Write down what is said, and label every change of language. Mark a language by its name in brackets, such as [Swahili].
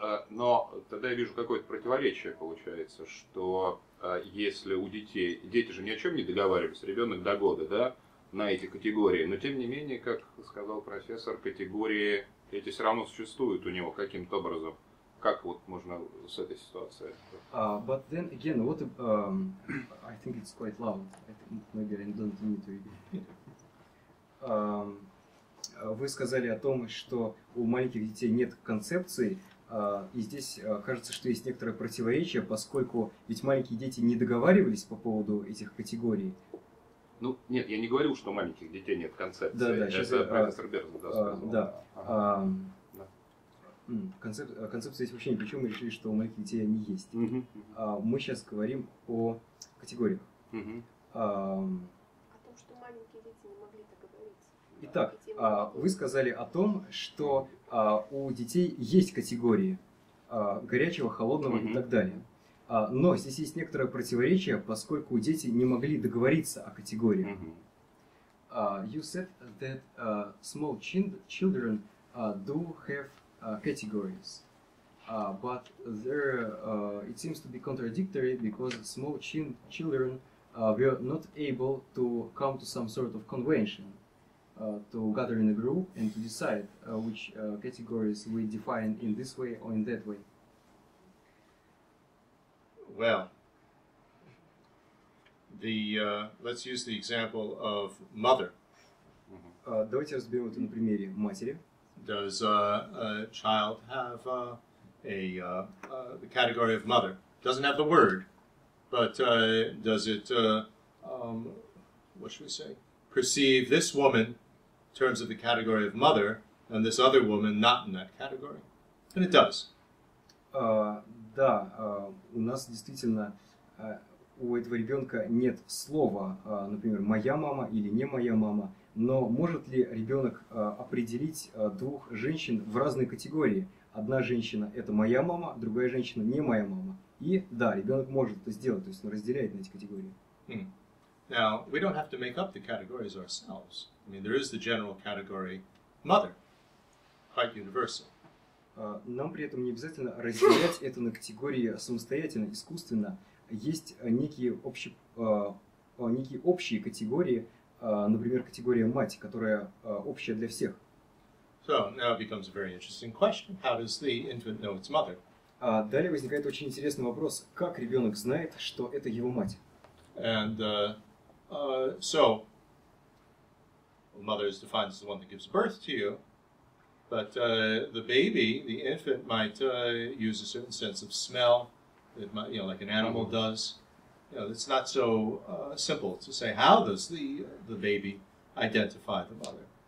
[Russian] Но тогда я вижу какое-то противоречие получается, что если у детей, дети же ни о чем не договаривались, ребенок до года, да, на эти категории, но тем не менее, как сказал профессор, категории эти все равно существуют у него каким-то образом. Как вот можно с этой ситуацией? [English] But then again, what if, I think it's quite loud. I think maybe I don't need to repeat. [Russian] Вы сказали о том, что у маленьких детей нет концепции, и здесь кажется, что есть некоторое противоречие, поскольку ведь маленькие дети не договаривались по поводу этих категорий. Ну, нет, я не говорю, что у маленьких детей нет концепции. Да, да, сейчас профессор Берн сказал. Да. Ага. Концепция есть вообще ни при чем, мы решили, что у маленьких детей они есть. Мы сейчас говорим о категориях. О том, что маленькие дети не могли договориться. Итак, вы сказали о том, что у детей есть категории горячего, холодного и так далее. Но здесь есть некоторое противоречие, поскольку дети не могли договориться о категории. [English] You said that small children do have categories, but there it seems to be contradictory because small children were not able to come to some sort of convention to gather in a group and to decide which categories we define in this way or in that way. Well, the let's use the example of mother. [Russian] Давайте разберем это на примере матери. [English] Does a child have the category of mother? Doesn't have the word, but does it, what should we say, perceive this woman in terms of the category of mother and this other woman not in that category? And it does. [Russian] Да, у нас действительно у этого ребенка нет слова, например, «моя мама» или «не моя мама», но может ли ребенок определить двух женщин в разные категории? Одна женщина – это моя мама, другая женщина – не моя мама. И да, ребенок может это сделать, то есть он разделяет на эти категории. [English] Now, we don't have to make up the categories ourselves. I mean, there is the general category mother, quite universal. [Russian] Нам при этом не обязательно разделять это на категории самостоятельно, искусственно. Есть некие общие категории, например, категория мать, которая общая для всех. [English] So, now it becomes a very interesting question. How does the infant know its mother? [Russian] Далее возникает очень интересный вопрос. Как ребенок знает, что это его мать? [English] And, so, mother is defined as the one that gives birth to you, but the baby, the infant, might use a certain sense of smell, it might, you know, like an animal does. You know, it's not so simple to say, how does the baby identify the mother?